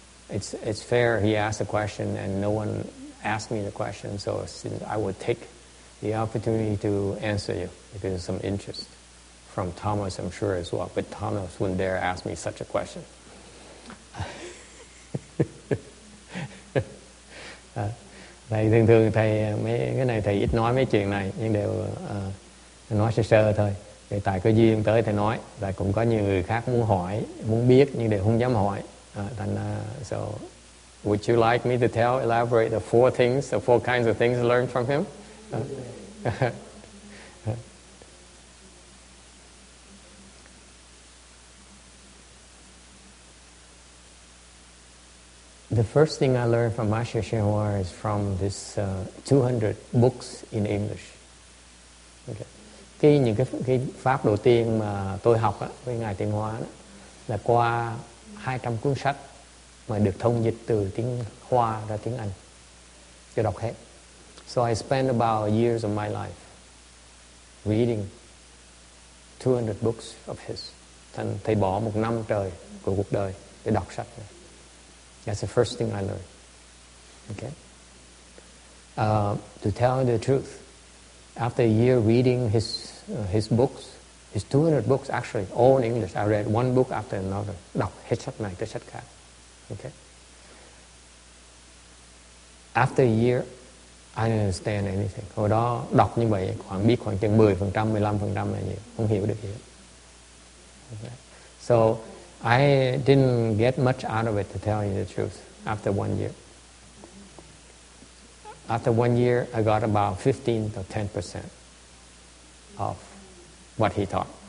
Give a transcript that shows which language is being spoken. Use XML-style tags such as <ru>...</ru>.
<en>It's fair he asked a question and no one asked me the question, so I would take the opportunity to answer you because of some interest from Thomas, I'm sure, as well. But Thomas wouldn't dare ask me such a question.</en> <vi>Thầy thường thường thầy mấy cái này thầy ít nói mấy chuyện này, nhưng đều nói sơ sơ thôi. Thì tại cơ duyên tới thầy nói, tại cũng có nhiều người khác muốn hỏi, muốn biết, nhưng đều không dám hỏi. So</vi> <en>Would you like me to tell, elaborate the four things, the four kinds of things learned from him? The first thing I learned from Master Shenhua is from this 200 books in English. Okay.</en> <vi>Những cái pháp đầu tiên mà tôi học á với ngài Tiên Hóa đó là qua 200 cuốn sách mà được thông dịch từ tiếng Hoa ra tiếng Anh. Tôi đọc hết.</vi> <en>So I spent about years of my life reading 200 books of his.</en> <vi>Thầy bỏ một năm trời của cuộc đời để đọc sách.</vi> <en>That's the first thing I learned. Okay. To tell the truth, after a year reading his books, his 200 books actually, all in English, I read one book after another.</en> <vi>Đọc hết sách này tới sách khác. Okay.</vi> <en>After a year, I didn't understand anything.</en> <vi>Hồi đó đọc như vậy khoảng biết khoảng chừng 10%, 15% là gì, không hiểu được gì. Okay.</vi> <en>So I didn't get much out of it, to tell you the truth, after 1 year. After 1 year, I got about 15 to 10% of what he taught.</en>